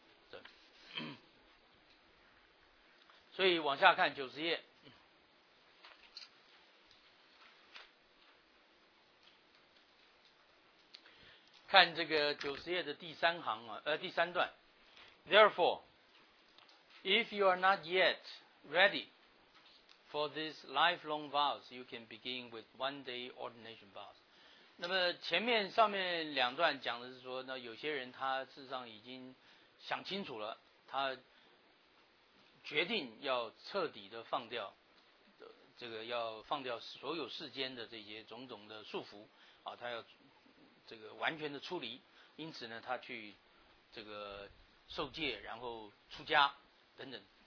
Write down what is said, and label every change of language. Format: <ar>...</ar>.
<zh>对，所以往下看九十页，看这个九十页的第三行啊，第三段。</zh> <en>Therefore, if you are not yet ready for these lifelong vows, you can begin with one day ordination vows.</en> <zh>那么前面上面两段讲的是说，那有些人他事实上已经想清楚了，他决定要彻底的放掉，这个要放掉所有世间的这些种种的束缚啊，他要这个完全的出离，因此呢，他去这个受戒，然后出家等等。</zh>